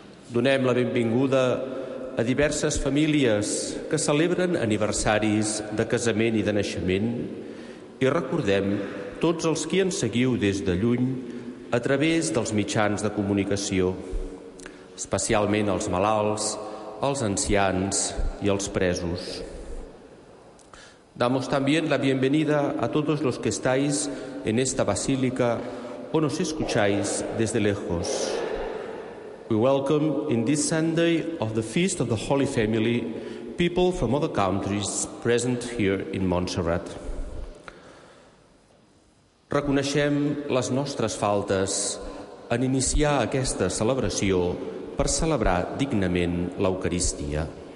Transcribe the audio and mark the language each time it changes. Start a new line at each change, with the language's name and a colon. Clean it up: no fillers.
Catalan: Donem la benvinguda a diverses famílies que celebren aniversaris de casament i de naixement, i recordem tots els qui ens seguiu des de lluny a través dels mitjans de comunicació, especialment els malalts, els ancians i els presos.
Spanish: Damos también la bienvenida a todos los que estáis en esta basílica o nos escucháis desde lejos.
English: We welcome in this Sunday of the Feast of the Holy Family people from other countries present here in Montserrat.
Catalan: Reconeixem les nostres faltes en iniciar aquesta celebració per celebrar dignament l'Eucaristia.